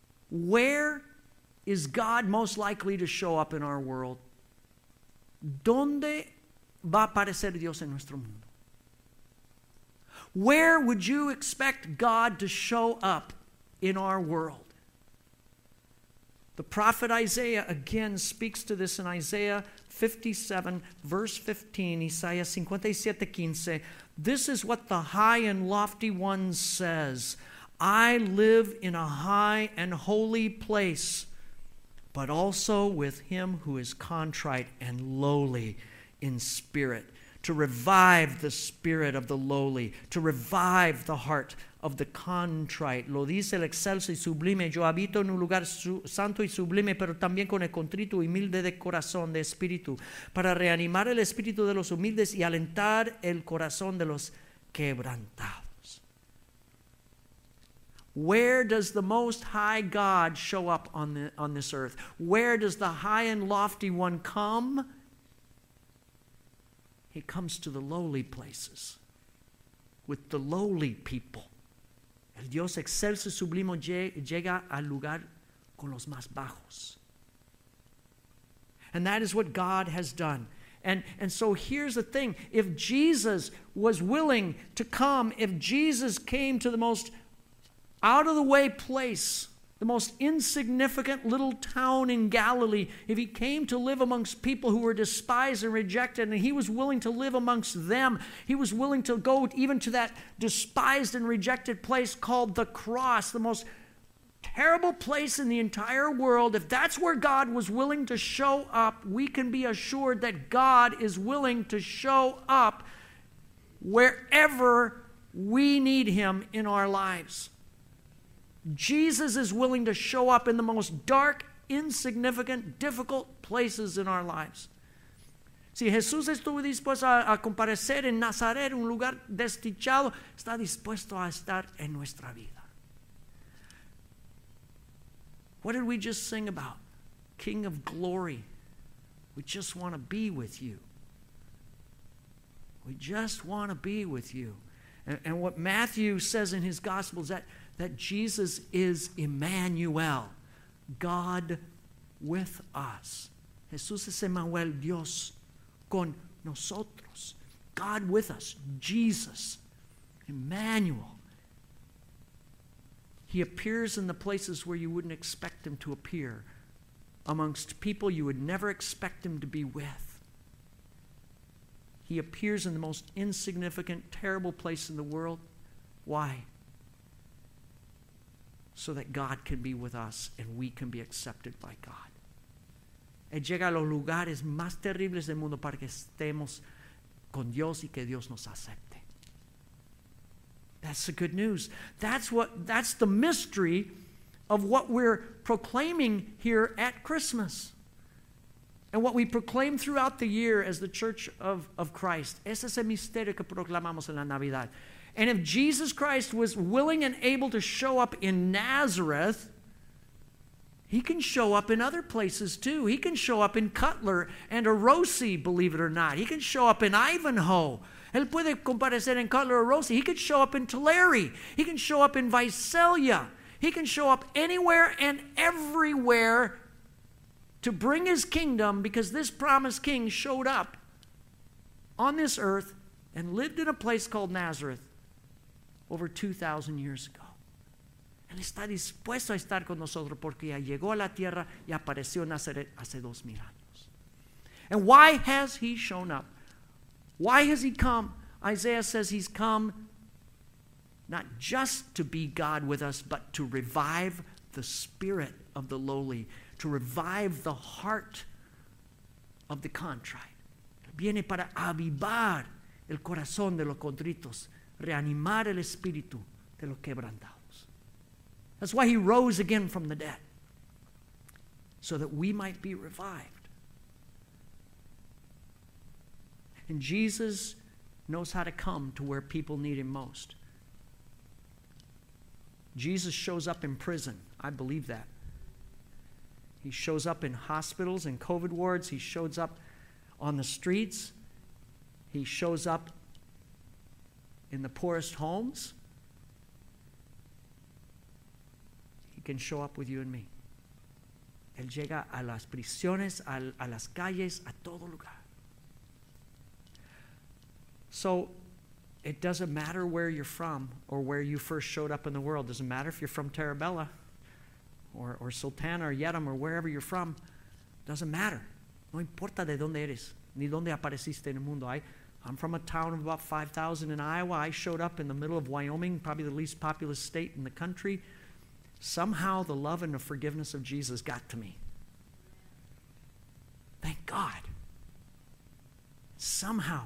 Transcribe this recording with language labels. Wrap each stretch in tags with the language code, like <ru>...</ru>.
<en>Where is God most likely to show up in our world?</en> <es>¿Dónde va a aparecer Dios en nuestro mundo?</es> <en>Where would you expect God to show up in our world? The prophet Isaiah again speaks to this in Isaiah 57, verse 15, Isaiah 57, 15. This is what the high and lofty one says. I live in a high and holy place, but also with him who is contrite and lowly in spirit. To revive the spirit of the lowly, to revive the heart of the contrite.</en> <es>Lo dice el excelso y sublime. Yo habito en un lugar santo y sublime, pero también con el contrito y humilde de corazón, de espíritu, para reanimar el espíritu de los humildes y alentar el corazón de los quebrantados.</es> <en>Where does the Most High God show up on this earth? Where does the High and Lofty One come? He comes to the lowly places with the lowly people.</en> <es>El Dios excelso y sublimo llega al lugar con los más bajos.</es> <en>And that is what God has done. And so here's the thing. If Jesus was willing to come, if Jesus came to the most out of the way place The most insignificant little town in Galilee, if he came to live amongst people who were despised and rejected, and he was willing to live amongst them, he was willing to go even to that despised and rejected place called the cross, the most terrible place in the entire world. If that's where God was willing to show up, we can be assured that God is willing to show up wherever we need him in our lives. Jesus is willing to show up in the most dark, insignificant, difficult places in our lives.</en> <es>Si Jesús estuvo dispuesto a comparecer en Nazaret, un lugar desdichado, está dispuesto a estar en nuestra vida.</es> <en>What did we just sing about? King of glory, we just want to be with you. We just want to be with you. And what Matthew says in his gospel is that Jesus is Emmanuel, God with us.</en> <es>Jesús es Emmanuel, Dios con nosotros.</es> <en>God with us, Jesus, Emmanuel. He appears in the places where you wouldn't expect him to appear, amongst people you would never expect him to be with. He appears in the most insignificant, terrible place in the world. Why? So that God can be with us and we can be accepted by God.</en> <es>Él llega a los lugares más terribles del mundo para que estemos con Dios y que Dios nos acepte.</es> <en>That's the good news. That's the mystery of what we're proclaiming here at Christmas. And what we proclaim throughout the year as the Church of Christ.</en> <es>Ese es el misterio que proclamamos en la Navidad.</es> <en>And if Jesus Christ was willing and able to show up in Nazareth, he can show up in other places too. He can show up in Cutler and Orosi, believe it or not. He can show up in Ivanhoe.</en> <es>Él puede comparecer en Cutler, Orosi.</es> <en>He can show up in Tulare. He can show up in Visalia. He can show up anywhere and everywhere to bring his kingdom, because this promised king showed up on this earth and lived in a place called Nazareth over 2,000 years ago.</en> <es>Él está dispuesto a estar con nosotros porque ya llegó a la tierra y apareció en Nazaret hace 2,000 años.</es> <en>And why has he shown up? Why has he come? Isaiah says he's come not just to be God with us, but to revive the spirit of the lowly, to revive the heart of the contrite.</en> <es>Viene para avivar el corazón de los contritos, reanimar el espíritu de los quebrantados.</es> <en>That's why he rose again from the dead, so that we might be revived. And Jesus knows how to come to where people need him most. Jesus shows up in prison. I believe that. He shows up in hospitals and COVID wards. He shows up on the streets. He shows up in the poorest homes. He can show up with you and me.</en> <es>Él llega a las prisiones, a las calles, a todo lugar.</es> <en>So it doesn't matter where you're from or where you first showed up in the world. It doesn't matter if you're from Tarabella or Sultana or Yetam or wherever you're from. It doesn't matter.</en> <es>No importa de dónde eres ni dónde apareciste en el mundo.</es> <en>I'm from a town of about 5,000 in Iowa. I showed up in the middle of Wyoming, probably the least populous state in the country. Somehow the love and the forgiveness of Jesus got to me. Thank God. Somehow.</en>